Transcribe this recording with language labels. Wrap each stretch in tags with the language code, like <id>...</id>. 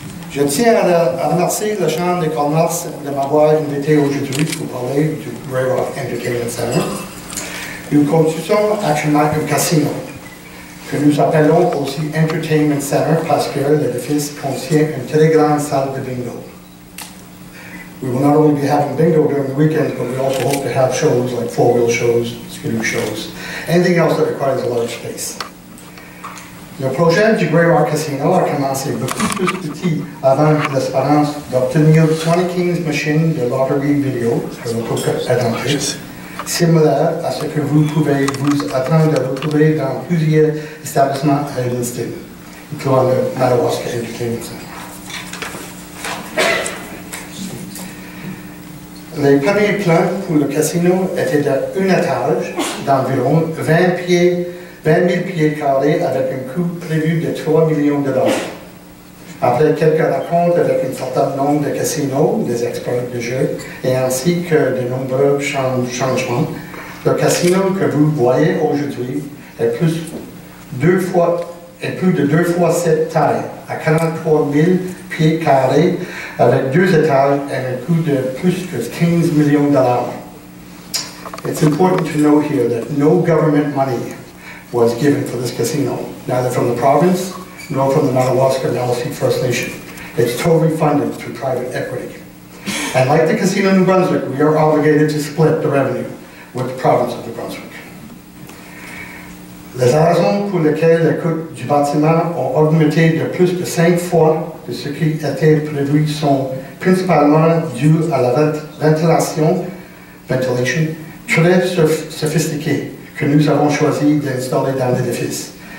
<fr>Je tiens à remercier la Chambre de commerce de m'avoir invité aujourd'hui pour parler du Repas Entertainment Center, une construction actuellement un casino, que nous appelons aussi Entertainment Center parce que l'édifice contient une très grande salle de bingo.</fr> <en>We will not only be having bingo during the weekend, but we also hope to have shows like four-wheel shows, skidoo shows, anything else that requires a large space.</en> <fr>Le projet du Repas Casino a commencé beaucoup plus petit avant l'espérance d'obtenir 2015 machine de loterie vidéo pour le poker étranger, similaire à ce que vous pouvez vous attendre à retrouver dans plusieurs établissements à Edmundston, incluant le Madawaska Entertainment Center. Les premiers plans pour le casino étaient d'un étage d'environ 20 000 pieds carrés avec un coût prévu de 3 millions de dollars. Après quelques rencontres avec un certain nombre de casinos, des experts de jeu, et ainsi que de nombreux changements, le casino que vous voyez aujourd'hui est plus de deux fois cette taille, à 43 000 pieds carrés, avec deux étages et un coût de plus de 15 millions de dollars.</fr> <en>It's important to know here that no government money was given for this casino, neither from the province nor from the Madawaska and LLC First Nation. It's totally funded through private equity. And like the casino in New Brunswick, we are obligated to split the revenue with the province of New Brunswick.</en> <fr>Les raisons pour lesquelles les coûts du bâtiment ont augmenté de plus de 5 fois de ce qui était prévu sont principalement dues à la ventilation très sophistiquée que nous avons choisi d'installer dans l'édifice.</fr>